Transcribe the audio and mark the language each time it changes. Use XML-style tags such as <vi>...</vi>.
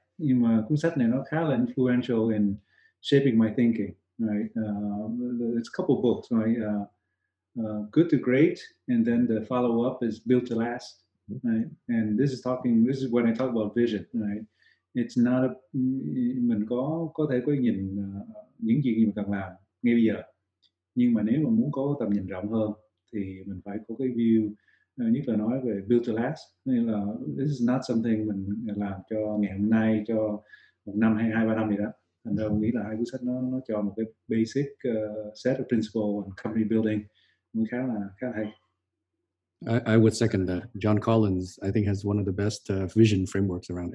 <vi>Nhưng mà cuốn sách này nó khá là</vi> <en>influential in shaping my thinking, right? It's a couple books, right? Good to Great, and then the follow up is Built to Last, right? And this is when I talk about vision, right? It's not</en> <vi>mình có thể có nhìn những gì mình cần làm ngay bây giờ. Nhưng mà nếu mà muốn có tầm nhìn rộng hơn thì mình phải có cái view. Nhất là nói về build to last, nên là</vi> <en>this is not something</en> <vi>mình làm cho ngày hôm nay, cho một năm hay hai ba năm gì đó. Thành ra mình nghĩ là hai cuốn sách nó cho một cái</vi> <en>basic set of principles on company building,</en> <vi>mình khá là hay.</vi> <en>I would second that. John Collins, I think, has one of the best vision frameworks around.</en>